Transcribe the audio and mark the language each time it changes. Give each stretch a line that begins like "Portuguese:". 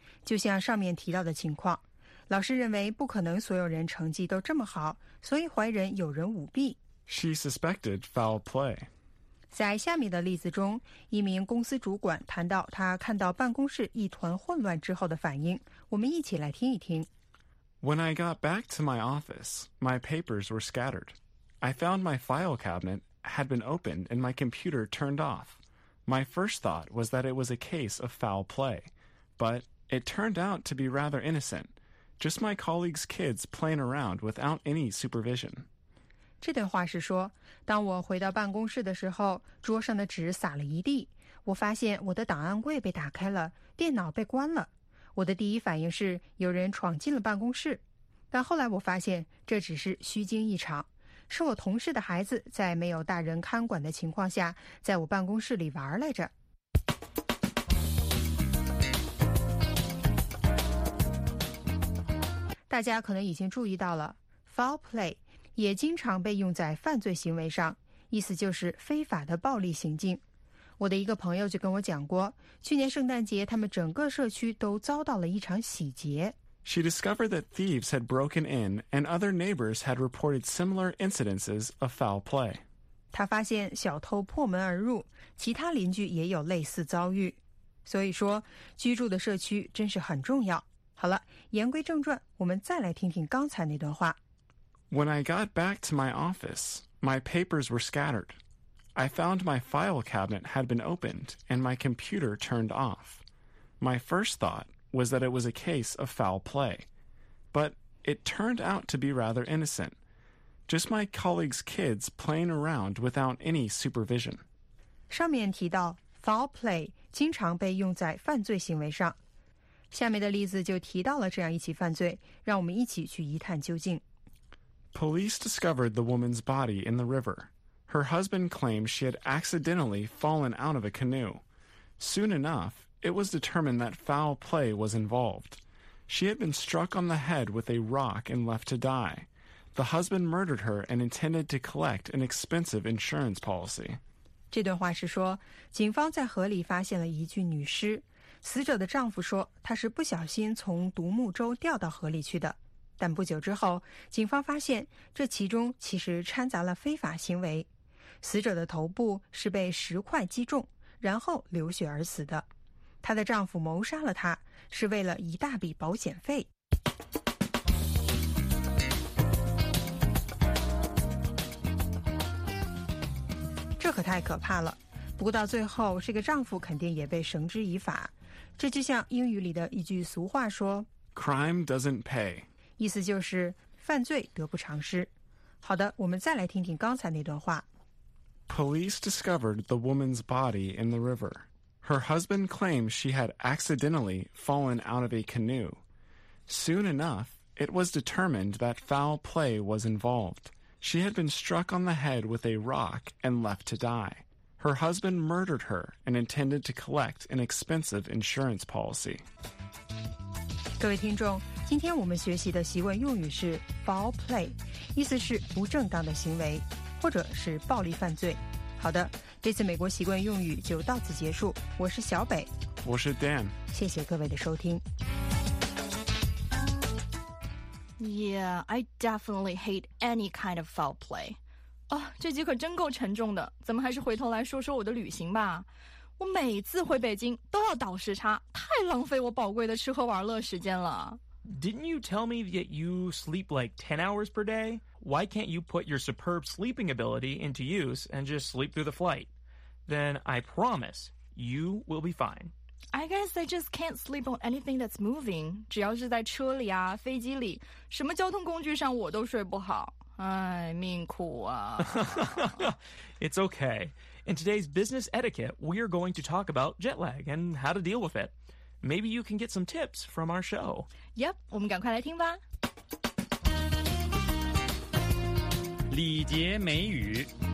Chinese: 就像上面提到的情况，老师认为不可能所有人成绩都这么好，所以怀人有人舞弊。
English: She suspected foul play.
Chinese: 在下面的例子中，一名公司主管谈到他看到办公室一团混乱之后的反应，我们一起来听一听。
English: When I got back to my office, my papers were scattered. I found my file cabinet had been opened and my computer turned off. My first thought was that it was a case of foul play, but it turned out to be rather innocent, just my colleagues' kids playing around without any supervision.
Chinese: 这段话是说，当我回到办公室的时候，桌上的纸撒了一地，我发现我的档案柜被打开了，电脑被关了。我的第一反应是有人闯进了办公室，但后来我发现这只是虚惊一场，是我同事的孩子在没有大人看管的情况下在我办公室里玩来着。大家可能已经注意到了， foul play 也经常被用在犯罪行为上，意思就是非法的暴力行径。我的一个朋友就跟我讲过，去年圣诞节他们整个社区都遭到了一场洗劫。
English: She discovered that thieves had broken in and other neighbors had reported similar incidences of foul play.
Chinese: 她发现小偷破门而入，其他邻居也有类似遭遇。所以说，居住的社区真是很重要。好了，言归正传，我们再来听听刚才那段话。
English: When I got back to my office, my papers were scattered. I found my file cabinet had been opened and my computer turned off. My first thought was that it was a case of foul play, but it turned out to be rather innocent. Just my colleague's kids playing around without any supervision.
Chinese: 上面提到 foul play 经常被用在犯罪行为上。下面的例子就提到了这样一起犯罪，让我们一起去一探究竟。
English: Police discovered the woman's body in the river. Her husband claimed she had accidentally fallen out of a canoe. Soon enough, it was determined that foul play was involved. She had been struck on the head with a rock and left to die. The husband murdered her and intended to collect an expensive insurance policy.
Chinese: 这段话是说，警方在河里发现了一具女尸。死者的丈夫说，他是不小心从独木舟掉到河里去的。但不久之后，警方发现这其中其实掺杂了非法行为。死者的头部是被石块击中，然后流血而死的。她的丈夫谋杀了她，是为了一大笔保险费。这可太可怕了。不过到最后，这个丈夫肯定也被绳之以法。这就像英语里的一句俗话说
English: Crime doesn't pay，
Chinese: 意思就是犯罪得不偿失。好的，我们再来听听刚才那段话。
English: Police discovered the woman's body in the river. Her husband claimed she had accidentally fallen out of a canoe. Soon enough, it was determined that foul play was involved. She had been struck on the head with a rock and left to die. Her husband murdered her and intended to collect an expensive insurance policy.
Chinese: 各位听众，今天我们学习的习惯用语是 foul play， 意思是不正当的行为，或者是暴力犯罪。好的，这次美国习惯用语就到此结束。我是小北，我是 Dan，谢谢各位的收听。
English: Yeah, I definitely hate any kind of foul play.
Chinese: 哦，这集可真够沉重的，咱们还是回头来说说我的旅行吧。我每次回北京都要倒时差，太浪费我宝贵的吃喝玩乐时间了。
English: Didn't you tell me that you sleep like 10 hours per day? Why can't you put your superb sleeping ability into use and just sleep through the flight? Then I promise you will be fine. I guess I just can't sleep on anything that's moving.
Chinese: 只要是在车里啊，飞机里，什么交通工具上我都睡不好。哎，命苦啊。
English: It's okay. In today's business etiquette, we are going to talk about jet lag and how to deal with it. Maybe you can get some tips from our show.
Chinese: Yep, 我们赶快来听吧。礼节美语。